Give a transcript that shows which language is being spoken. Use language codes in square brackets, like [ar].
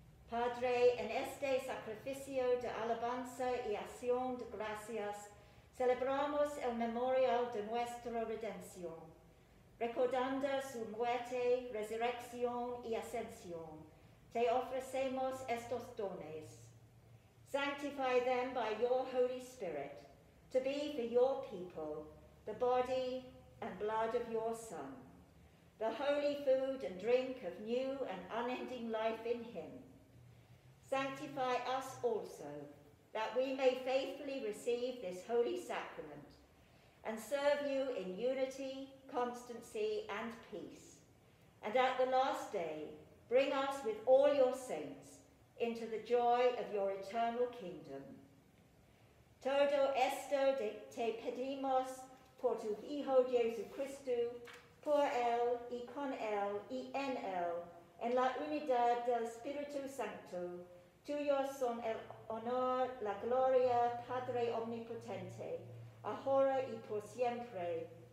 [es] Padre, en este sacrificio de alabanza y acción de gracias, celebramos el memorial de nuestra redención, recordando su muerte, resurrección y ascensión, te ofrecemos estos dones. [en] Sanctify them by your Holy Spirit, to be for your people the body and blood of your Son, the holy food and drink of new and unending life in him. Sanctify us also, that we may faithfully receive this holy sacrament and serve you in unity, constancy, and peace. And at the last day, bring us with all your saints into the joy of your eternal kingdom. [es] Todo esto te pedimos por tu Hijo Jesucristo, por él y con él y en él, en la unidad del Espíritu Santo. Tuyo son el honor, la gloria, Padre omnipotente, ahora y por siempre.